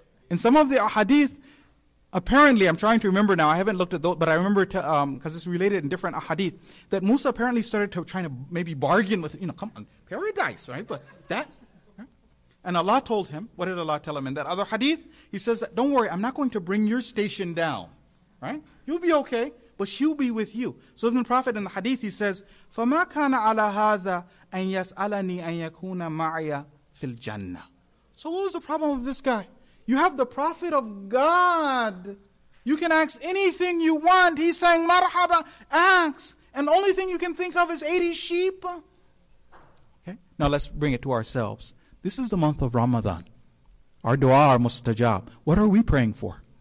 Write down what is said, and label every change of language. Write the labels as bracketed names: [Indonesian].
[English] In some of the ahadith, apparently, I'm trying to remember now, I haven't looked at those, but I remember because it's related in different ahadith, that Musa apparently started to try to maybe bargain with, come on, paradise, right? But that. And Allah told him, what did Allah tell him in that other hadith? He says, "Don't worry, I'm not going to bring your station down." Right? "You'll be okay, but she'll be with you." So then the Prophet in the hadith, he says, [Arabic] "فَمَا كَانَ عَلَى هَذَا أَنْ يَسْأَلَنِي أَنْ يَكُونَ مَعْيَ فِي الْجَنَّةِ." [English] So what was the problem of this guy? You have the Prophet of God. You can ask anything you want. He's saying, "Marhaba, ask." And the only thing you can think of is 80 sheep. Okay? Now let's bring it to ourselves. This is the month of Ramadan. Our dua, our mustajab. What are we praying for?